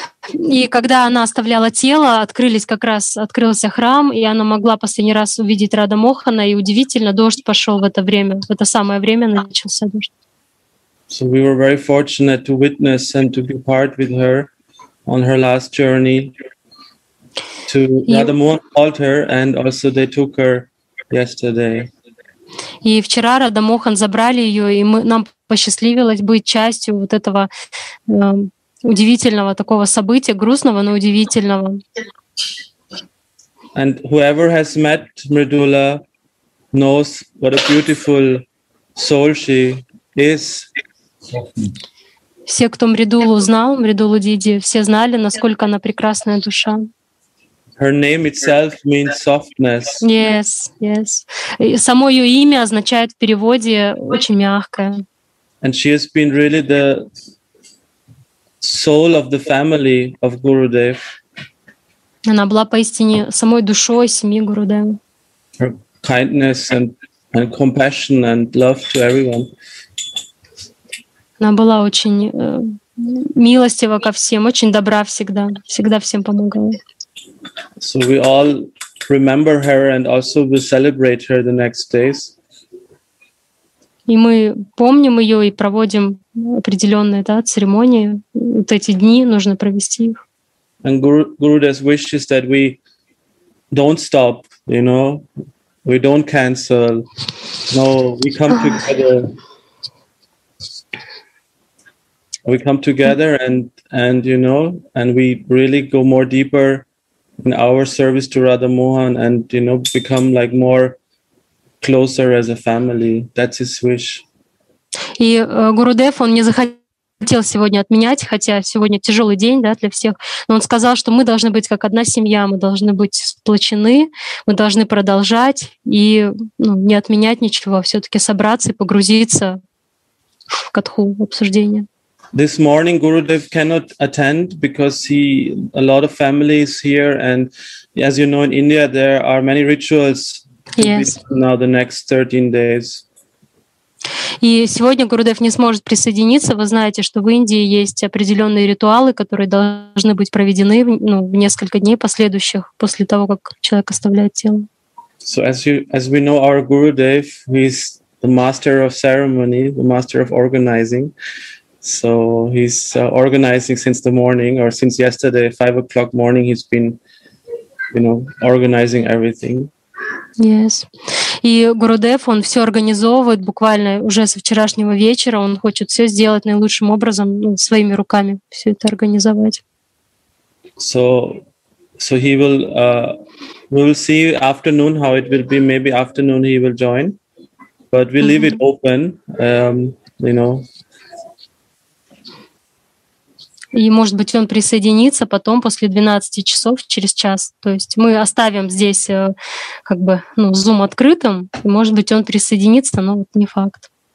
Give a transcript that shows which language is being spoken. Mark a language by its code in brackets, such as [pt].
[ru] И когда она оставляла тело, открылся храм, и она могла последний раз увидеть Радха Мохана, и удивительно, дождь пошел в это время, в это самое время начался дождь. [en] So we were very fortunate to witness and to be part with her on her last journey to Radha Mohan altar, and also they took her yesterday. [ru] И вчера Радха Мохан забрали ее, и нам посчастливилось быть частью вот этого удивительного такого события, грустного, но удивительного. [en] And whoever has met Mridula knows what a beautiful soul she is. [ru] Все, кто Мридулу знал, Мридулу Диди, все знали, насколько она прекрасная душа. [en] Her name itself means softness. Yes, yes. [ru] Само ее имя означает в переводе очень мягкое. [en] And she has been really the soul of the family of Gurudev. [ru] Она была поистине самой душой семьи Гурудев. [en] Her kindness and compassion and love to everyone. [ru] Она была очень милостива ко всем, очень добра всегда, всегда всем помогала. [en] So we all remember her and also we celebrate her the next days. [ru] И мы помним ее и проводим определенные, да, церемонии. Вот эти дни нужно провести их. [en] And Gurudev's wish is that we don't stop, you know, we don't cancel. No, we come together. We come together and you know, and we really go more deeper in our service to Radha Mohan and, you know, become like more closer as a family. That's his wish. [ru] И Гурудев, он не захотел сегодня отменять, хотя сегодня тяжелый день, да, для всех, но он сказал, что мы должны быть как одна семья, мы должны быть сплочены, мы должны продолжать и, ну, не отменять ничего, а все-таки собраться и погрузиться в катху обсуждения. [en] This morning Gurudev cannot attend because he a lot of family is here, and as you know, in India there are many rituals. Yes. Now the next 13 days. [ru] И сегодня Гурудев не сможет присоединиться. Вы знаете, что в Индии есть определенные ритуалы, которые должны быть проведены, ну, в несколько дней последующих после того, как человек оставляет тело. [en] So as we know, our Gurudev is the master of ceremony, the master of organizing. So he's organizing since the morning, or since yesterday, 5 o'clock morning, he's been, you know, organizing everything. Yes. [ru] И Гурудев, он все организовывает буквально уже со вчерашнего вечера. Он хочет все сделать наилучшим образом, ну, своими руками все это организовать. [en] So he will, we'll see afternoon how it will be. Maybe afternoon he will join, but we leave it open, you know. [ru] И, может быть, он присоединится потом после 12 часов, через час. То есть мы оставим здесь как бы, ну, Zoom открытым, и, может быть, он присоединится, но вот не факт.